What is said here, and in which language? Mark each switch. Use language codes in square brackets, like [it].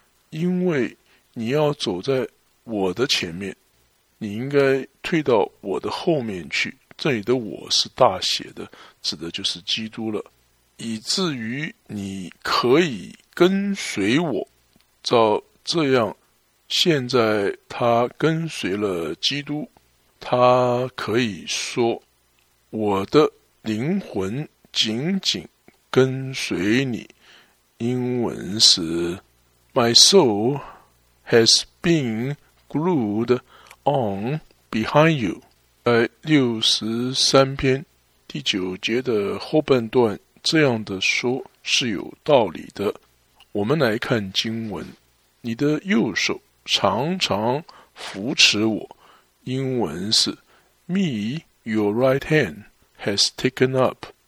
[zh] 因为你要走在我的前面，你应该退到我的后面去，这里的我是大写的，指的就是基督了，以至于你可以跟随我。照这样，现在他跟随了基督，他可以说，我的灵魂紧紧跟随你。英文是 [en] My soul has been glued on behind you。 [zh] 在63篇第9节的后半段，这样的说是有道理的。我们来看经文，你的右手常常扶持我，英文是 [en] Me, your right hand has taken up。